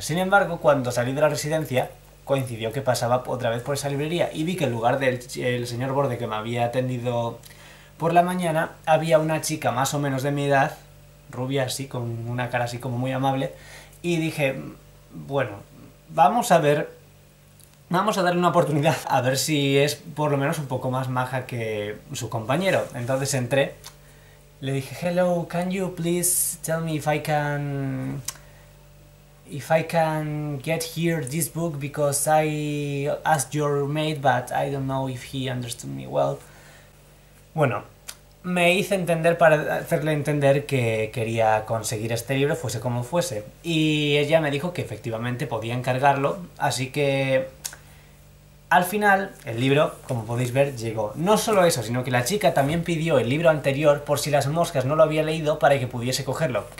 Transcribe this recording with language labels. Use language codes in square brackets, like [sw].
[es] Sin embargo, cuando salí de la residencia, coincidió que pasaba otra vez por esa librería y vi que en lugar del el señor Borde que me había atendido por la mañana había una chica más o menos de mi edad, rubia así, con una cara así como muy amable, y dije: "Bueno, vamos a ver, vamos a darle una oportunidad a ver si es por lo menos un poco más maja que su compañero". Entonces entré, le dije: [en] "Hello, can you please tell me if I can get here this book because I asked your mate but I don't know if he understood me well". [es] Bueno, me hice entender para hacerle entender que quería conseguir este libro, fuese como fuese. Y ella me dijo que efectivamente podía encargarlo. Así que al final, el libro, como podéis ver, llegó. No solo eso, sino que la chica también pidió el libro anterior por si las moscas no lo había leído para que pudiese cogerlo.